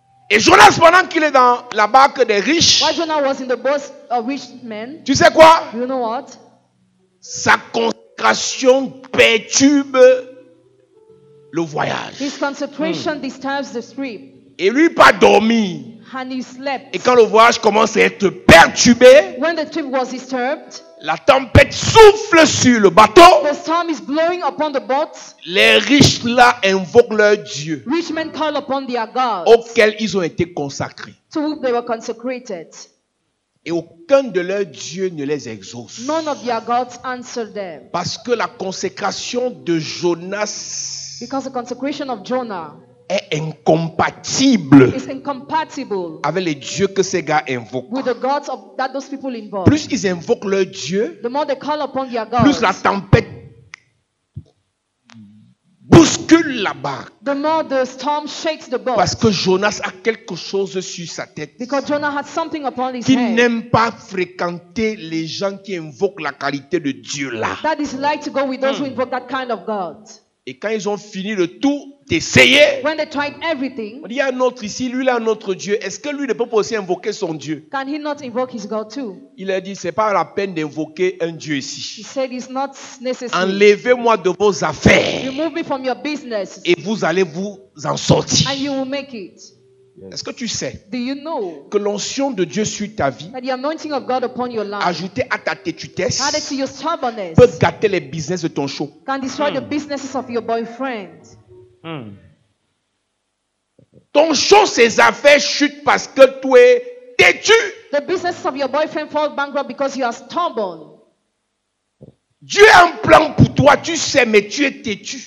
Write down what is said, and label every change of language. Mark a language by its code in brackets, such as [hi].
[fr] Et Jonas, pendant qu'il est dans la barque des riches, [en] while Jonah was in the boat of rich men, [fr] tu sais quoi? [en] You know what? [fr] Sa consécration perturbe le voyage. [en] His consecration disturbs the trip. [fr] Et lui, pas dormi. [en] And he slept. [fr] Et quand le voyage commence à être perturbé, [en] when the trip was disturbed, [fr] la tempête souffle sur le bateau, [en] the storm is blowing upon the boat, [fr] les riches là invoquent leur Dieu, [en] rich men call upon their gods, [fr] auxquels ils ont été consacrés. [en] To whom they were consecrated. [fr] Et aucun de leurs dieux ne les exauce. [en] None of their gods answer them. [fr] Parce que la consécration de Jonas, [en] because the consecration of Jonah, [fr] est incompatible, [en] it's incompatible [fr] avec les dieux que ces gars invoquent. [en] With the gods of, that those people invoke. [fr] Plus ils invoquent leur dieu, [en] the more they call upon their gods, [fr] plus la tempête bouscule la barque. [en] The more the storm shakes the boat. [fr] Parce que Jonas a quelque chose sur sa tête. [en] Because Jonah had something upon his [fr] qu'il [en] head. [fr] Qui n'aime pas fréquenter les gens qui invoquent la qualité de Dieu là. [en] That is like to go with those who invoke that kind of God. [fr] Et quand ils ont fini le tout d'essayer, [en] when they tried everything, [fr] on dit, il y a un autre ici, lui là, un autre Dieu. Est-ce que lui ne peut pas aussi invoquer son Dieu? [en] Can he not invoke his God too? [fr] Il a dit, ce n'est pas la peine d'invoquer un Dieu ici. [en] He said, it's not necessary. [fr] Enlevez-moi de vos affaires. [en] Remove me from your business. [fr] Et vous allez vous en sortir. [en] And you will make it. [fr] Est-ce que tu sais, [en] do you know, [fr] que l'onction de Dieu sur ta vie, [en] the anointing of God upon your life, [fr] ajoutée à ta têtutesse, [en] added to your stubbornness, [fr] peut gâter les business de ton show, [en] can destroy the businesses of your boyfriend. [fr] Ton show, ses affaires chutent parce que tu es têtu. [en] The businesses of your boyfriend fall bankrupt because you are stubborn. [fr] Dieu a un plan pour toi, tu sais, mais tu es têtu.